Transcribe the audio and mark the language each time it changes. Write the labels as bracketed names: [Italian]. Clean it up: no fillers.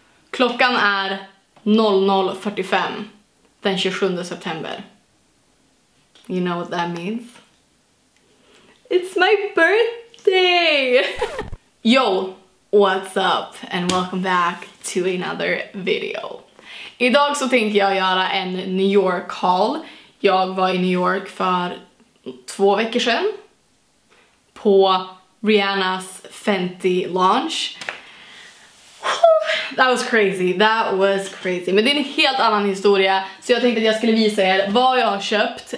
[Swedish] Klockan är 00:45 den 27 september. [English] You know what that means? It's my birthday! Yo, what's up and welcome back to another video. [Swedish] Idag så tänkte jag göra en New York haul. Jag var i New York för 2 veckor sedan på Rihannas Fenty launch. [English] That was crazy. [Swedish] Men det är en helt annan historia, så jag tänkte att jag skulle visa er vad jag har köpt.